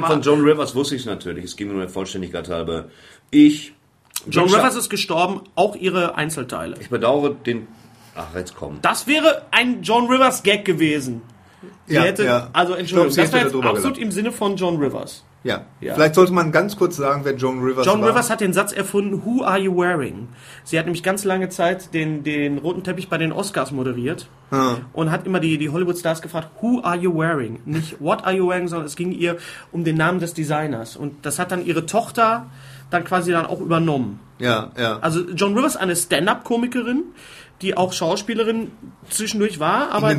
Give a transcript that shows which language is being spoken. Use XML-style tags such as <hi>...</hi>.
<de>Nein, von Joan Rivers wusste ich es natürlich. Es ging mir nur Vollständigkeit halber. Ich. Joan Rivers ist gestorben, auch ihre Einzelteile. Ich bedauere den. Ach, jetzt komm. Das wäre ein Joan Rivers Gag gewesen. Sie ja, hätte, ja. Also Entschuldigung, glaub, das wäre absolut gedacht. Im Sinne von Joan Rivers. Ja. Ja, vielleicht sollte man ganz kurz sagen, wer Joan Rivers Joan war. Rivers hat den Satz erfunden,</de> <en>who are you wearing?</en> <de>Sie hat nämlich ganz lange Zeit den roten Teppich bei den Oscars moderiert und hat immer die Hollywood-Stars gefragt,</de> <en>who are you wearing?</en> <de>Nicht</de> <en>what are you wearing,</en> <de>sondern es ging ihr um den Namen des Designers. Und das hat dann ihre Tochter dann quasi dann auch übernommen. Ja, ja. Also Joan Rivers, eine Stand-Up-Komikerin, die auch Schauspielerin zwischendurch war, aber</de>